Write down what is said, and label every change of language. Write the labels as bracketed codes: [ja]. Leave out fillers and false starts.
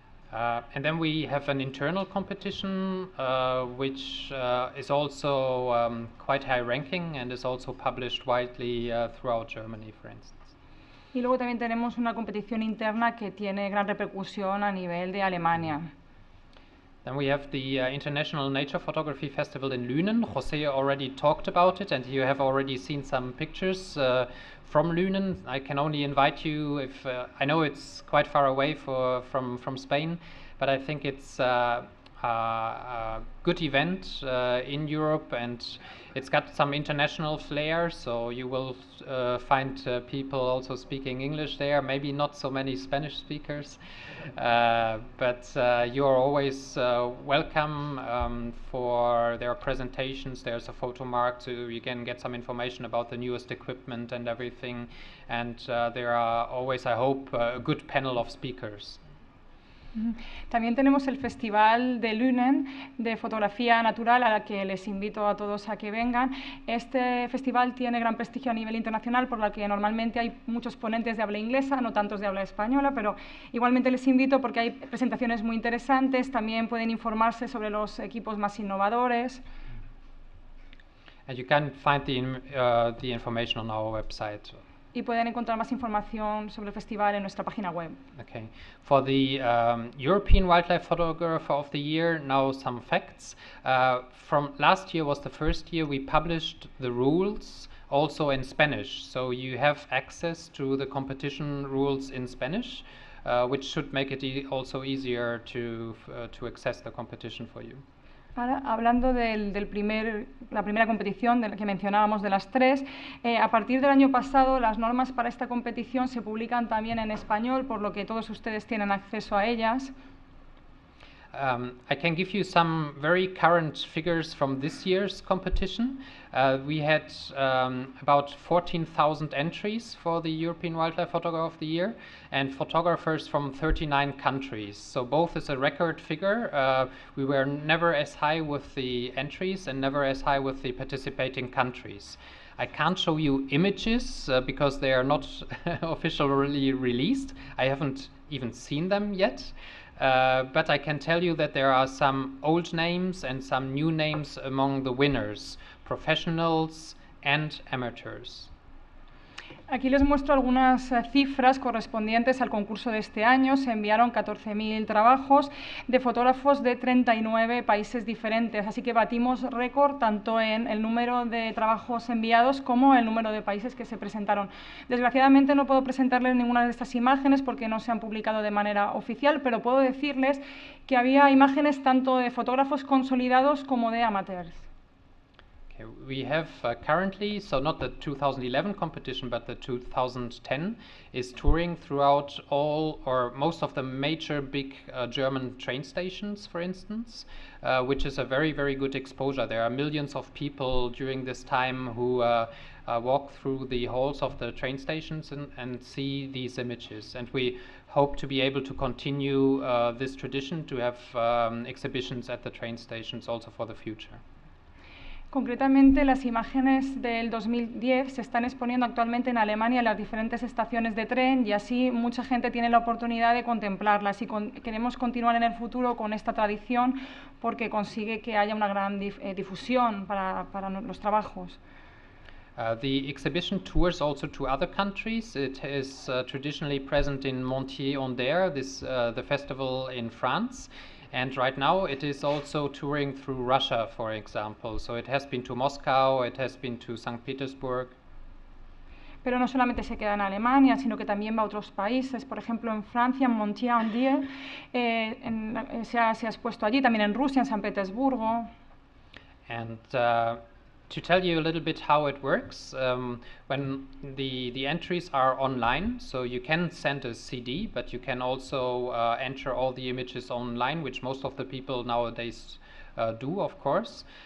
[en] And then we have an internal competition, which is also quite high ranking and is also published widely throughout Germany, for instance. [es] Y luego también tenemos una competición interna que tiene gran repercusión a nivel de Alemania. [en] Then we have the International Nature Photography Festival in Lünen. José already talked about it, and you have already seen some pictures from Lünen. I can only invite you if I know it's quite far away from Spain, but I think it's a good event in Europe, and it's got some international flair, so you will find people also speaking English there, maybe not so many Spanish speakers, but you are always welcome for their presentations. There's a photo mark, so you can get some information about the newest equipment and everything, and there are always, I hope, a good panel of speakers. [es] También tenemos el Festival de Lünen de fotografía natural, a la que les invito a todos a que vengan. Este festival tiene gran prestigio a nivel internacional, por lo que normalmente hay muchos ponentes de habla inglesa, no tantos de habla española, pero igualmente les invito porque hay presentaciones muy interesantes, también pueden informarse sobre los equipos más innovadores. [en] And you can find the information on our website. [es] Y pueden encontrar más información sobre el festival en nuestra página web. [en] Okay. For the European Wildlife Photographer of the Year, now some facts. From last year was the first year we published the rules also in Spanish. So you have access to the competition rules in Spanish, which should make it also easier to access the competition for you. [es] Ahora, hablando la primera competición de la que mencionábamos, de las 3, a partir del año pasado las normas para esta competición se publican también en español, por lo que todos ustedes tienen acceso a ellas. [en] I can give you some very current figures from this year's competition. We had about 14,000 entries for the European Wildlife Photographer of the Year and photographers from 39 countries. So both is a record figure. We were never as high with the entries and never as high with the participating countries. I can't show you images because they are not officially released. I haven't even seen them yet. But I can tell you that there are some old names and some new names among the winners, professionals and amateurs. [es] Aquí les muestro algunas cifras correspondientes al concurso de este año. Se enviaron 14.000 trabajos de fotógrafos de 39 países diferentes. Así que batimos récord tanto en el número de trabajos enviados como el número de países que se presentaron. Desgraciadamente no puedo presentarles ninguna de estas imágenes porque no se han publicado de manera oficial, pero puedo decirles que había imágenes tanto de fotógrafos consolidados como de amateurs. [en] We have currently, so not the 2011 competition, but the 2010, is touring throughout all or most of the major big German train stations, for instance, which is a very, very good exposure. There are millions of people during this time who walk through the halls of the train stations and see these images. And we hope to be able to continue this tradition to have exhibitions at the train stations also for the future. [es] Concretamente, las imágenes del 2010 se están exponiendo actualmente en Alemania en las diferentes estaciones de tren y así mucha gente tiene la oportunidad de contemplarlas y queremos continuar en el futuro con esta tradición porque consigue que haya una gran difusión para los trabajos. [en] The exhibition tours also to other countries. It is traditionally present in Montier-en-Der, the festival in France. And right now it is also touring through Russia, for example. So it has been to Moscow, it has been to St. Petersburg. [es] Pero no solamente se queda en Alemania, sino que también va a otros países. Por ejemplo, en Francia, en Montier-en-Dier, se ha expuesto allí, también en Rusia, en San Petersburgo. [en] And to tell you a little bit how it works, when the entries are online, so you can send a CD, but you can also enter all the images online, which most of the people nowadays do, of course.